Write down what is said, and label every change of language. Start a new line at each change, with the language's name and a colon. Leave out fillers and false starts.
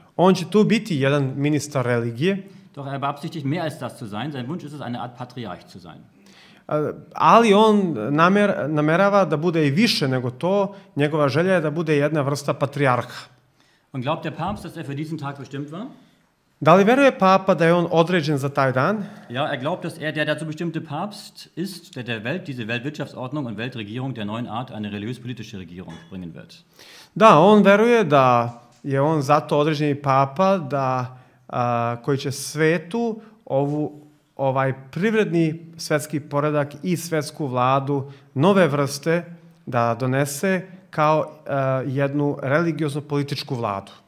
Serbian: On će tu biti jedan ministar religije.
German: Doch er beabsichtigt mehr als das zu sein. Sein Wunsch ist es, eine Art Patriarch zu sein.
Serbian: Ali on namerava da bude i više nego to, njegova želja je da bude jedna vrsta patrijarha.
German: Und glaubt der Papst, dass er für diesen Tag bestimmt war?
Serbian: Da li veruje Papa da je on određen za taj dan?
German: Ja, er glaubt, dass er der dazu bestimmte Papst ist, der der Welt diese Weltwirtschaftsordnung und Weltregierung der neuen Art eine religiös-politische Regierung bringen wird.
Serbian: Da, on veruje da je on zato određeni Papa da koji će svetu ovaj privredni svetski poredak i svetsku vladu nove vrste da donese kao jednu religiozno-političku vladu.